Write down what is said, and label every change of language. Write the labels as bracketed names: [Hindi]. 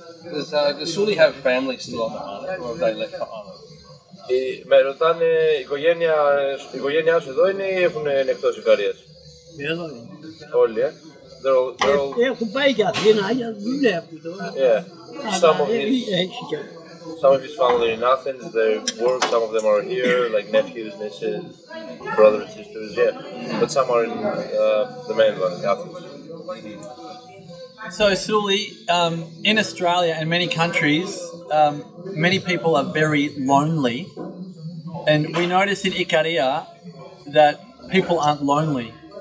[English] Does Suli have family still on the island, or have they left the island? [Greek] Με ρωτάνε, η οικογένειά σου εδώ είναι ή έχουν εκτός Ικαρίας? Εδώ είναι. Όλοι, Έχουν πάει και Αθήνα, για δουλεύουν τώρα. [English] Some of his family are in Athens, they work, some of them are here, like nephews, nieces, brothers, sisters, But some are in the mainland, Athens. So, Suli, in Australia and many countries, many people are very lonely, and we notice in Ikaria that people aren't lonely.